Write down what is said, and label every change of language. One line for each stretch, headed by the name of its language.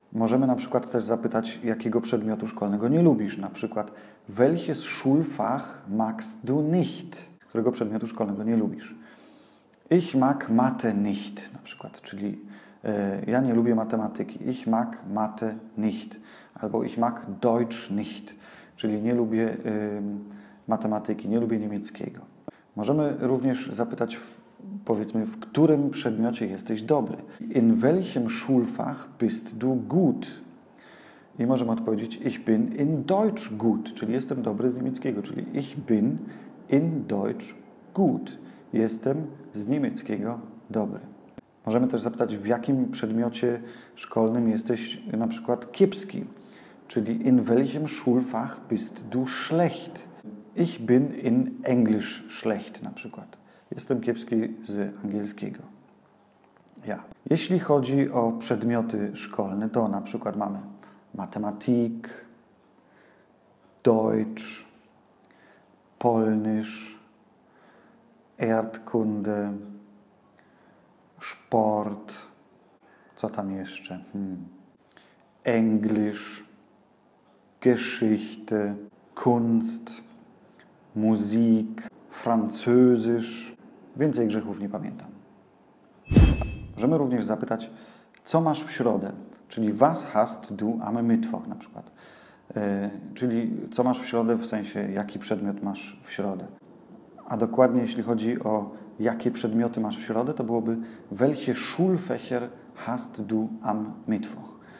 Polish: Możemy na przykład też zapytać, jakiego przedmiotu szkolnego nie lubisz. Na przykład,
German: welches Schulfach magst du nicht?
Polish: Którego przedmiotu szkolnego nie lubisz?
German: Ich mag Mathe nicht,
Polish: na przykład. Czyli ja nie lubię matematyki.
German: Ich mag Mathe nicht.
Polish: Albo
German: ich mag Deutsch nicht.
Polish: Czyli nie lubię matematyki, nie lubię niemieckiego. Możemy również zapytać, powiedzmy, w którym przedmiocie jesteś dobry.
German: In welchem Schulfach bist du gut?
Polish: I możemy odpowiedzieć
German: ich bin in Deutsch gut,
Polish: czyli jestem dobry z niemieckiego, czyli
German: ich bin in Deutsch gut.
Polish: Jestem z niemieckiego dobry. Możemy też zapytać, w jakim przedmiocie szkolnym jesteś na przykład kiepski, czyli
German: in welchem Schulfach bist du schlecht? Ich bin in Englisch schlecht,
Polish: na przykład. Jestem kiepski z angielskiego. Ja. Jeśli chodzi o przedmioty szkolne, to na przykład mamy Mathematik, Deutsch, Polnisch, Erdkunde, Sport, co tam jeszcze?
German: Englisch, Geschichte, Kunst, Musik, Französisch.
Polish: Więcej grzechów nie pamiętam. Możemy również zapytać, co masz w środę? Czyli
German: was hast du am Mittwoch,
Polish: na przykład. Czyli co masz w środę, w sensie jaki przedmiot masz w środę. A dokładnie jeśli chodzi o jakie przedmioty masz w środę, to byłoby
German: welche Schulfächer hast du am Mittwoch.